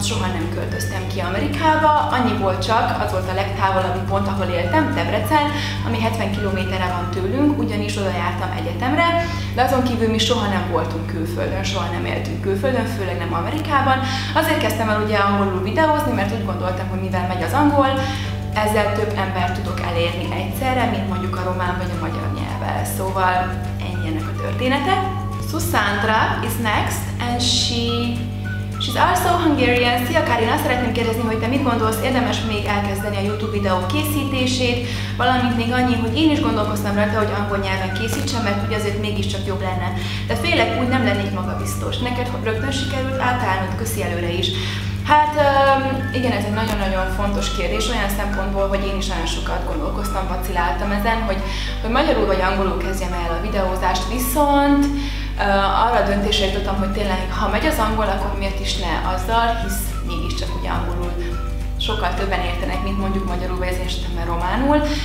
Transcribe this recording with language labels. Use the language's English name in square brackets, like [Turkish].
[Hungarian] Soha nem költöztem ki Amerikába, annyi volt csak, az volt a legtávolabbi pont, ahol éltem, Debrecen, ami 70 kilométerre van tőlünk, ugyanis oda jártam egyetemre, de azon kívül mi soha nem voltunk külföldön, soha nem éltünk külföldön, főleg nem Amerikában. Azért kezdtem el ugye angolul videózni, mert úgy gondoltam, hogy mivel megy az angol, ezzel több embert tudok elérni egyszerre, mint mondjuk a román vagy a magyar nyelvvel. Szóval ennyi ennek a története. [English] Susandra is next, and she's also Hungarian. [Hungarian] Szia Karina, szeretném kérdezni, hogy te mit gondolsz, érdemes még elkezdeni a YouTube videó készítését, valamint még annyi, hogy én is gondolkoztam rá, hogy angol nyelven készítsem, mert ugye azért mégiscsak jobb lenne. De félek, úgy nem lennék magabiztos. Neked rögtön sikerült átállnod, köszi előre is. Hát igen, ez egy nagyon-nagyon fontos kérdés olyan szempontból, hogy én is nagyon sokat gondolkoztam, vaciláltam ezen, hogy magyarul vagy angolul kezdjem el a videózást, viszont arra a döntésre jutottam, hogy tényleg, ha megy az angol, akkor miért is ne azzal, hisz mégiscsak ugye angolul sokkal többen értenek, mint mondjuk magyarul vagy az én esetemben románul.